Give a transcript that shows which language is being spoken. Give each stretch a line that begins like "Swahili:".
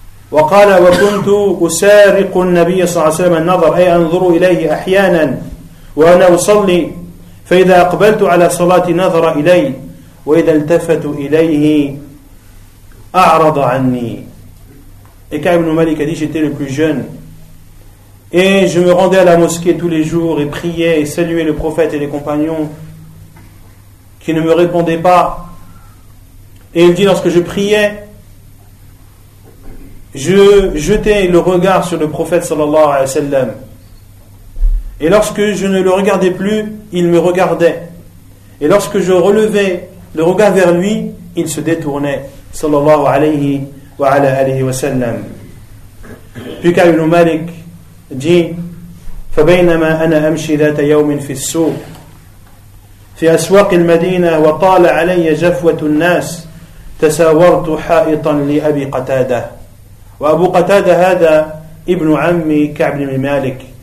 Arabic: وقال: وكنت أسارق النبي صلى الله عليه وسلم النظر، أي أنظر إليه أحيانا وأنا أصلي، فإذا أقبلت على صلاة نظر إلي، وإذا التفت إليه أعرض عني.
French: Et Ka'b ibn Malik a dit: j'étais le plus jeune et je me rendais à la mosquée tous les jours et priais et saluais le prophète et les compagnons qui ne me répondaient pas. Et il dit: lorsque je priais, je jetais le regard sur le prophète sallallahu alayhi wa sallam. Et lorsque je ne le regardais plus, il me regardait. Et lorsque je relevais le regard vers lui, il se détournait.
Arabic: Sallallahu alayhi wa ala alayhi wa sallam.
French: Puis Ka'b ibn Malik dit:
Arabic: فَبَيْنَمَا أَنَا أَمْشِي ذَاتَ يَوْمٍ فِي السُّوقِ فِي أَسْوَاقِ الْمَدِينَةِ وَطَالَ عَلَيَّ جَفْوَةُ النَّاسِ تَسَاوَرْتُ حَائِطًا لِأَبِي قَتَادَةِ وَأَبُو قَتَادَةَ هَذَا إِبْنُ عَمِّي كَعْب بن مالك.